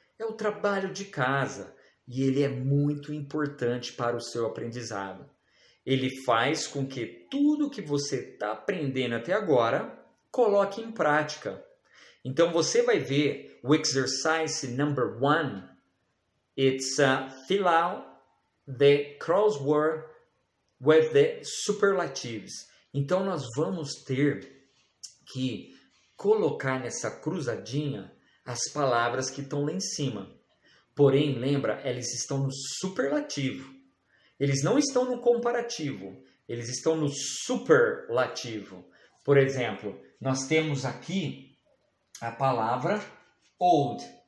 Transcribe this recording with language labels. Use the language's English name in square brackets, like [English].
[Portuguese] É o trabalho de casa. E ele é muito importante para o seu aprendizado. Ele faz com que tudo que você está aprendendo até agora coloque em prática. Então você vai ver o [English] exercise number one. It's fill out the crossword with the superlatives. [Portuguese] Então nós vamos ter que colocar nessa cruzadinha as palavras que estão lá em cima. Porém, lembra, eles estão no superlativo. Eles não estão no comparativo. Eles estão no superlativo. Por exemplo, nós temos aqui a palavra old.